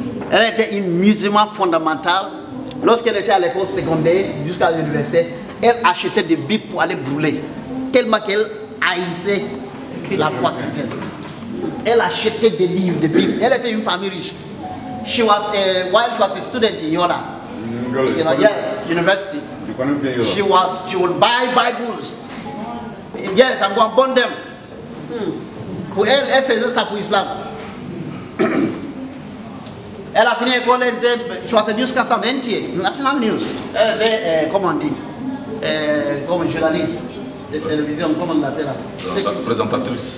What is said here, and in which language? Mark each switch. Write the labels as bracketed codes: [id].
[fr] Elle était une musulmane fondamentale. Lorsqu'elle était à l'école secondaire jusqu'à l'université, elle achetait des bibles pour aller brûler. Tellement qu'elle haïssait la foi chrétienne. Elle achetait des livres, des bibles. Elle était une famille riche. [en] She was a, while she was a student in Yola. Yes, university. She was, she would buy Bibles. Yes, I'm going to burn them. [fr] Pour elle, elle faisait ça pour l'islam. Elle a fini l'école, elle était, je crois, c'est jusqu'à 120, National News. Elle était, comment on dit, comme journaliste de télévision, comment on l'appelle là? Présentatrice.